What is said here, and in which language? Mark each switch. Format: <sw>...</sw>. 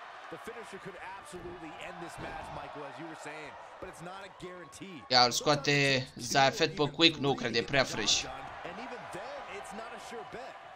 <en>The finisher could absolutely end this match, Michael, as you were saying, but it's not a guarantee.</en> <ro>Yeah, îl scoate Zayfet pe quick, nu cred, e prea fresh.</ro> <en>And even then, it's not a sure bet.</en>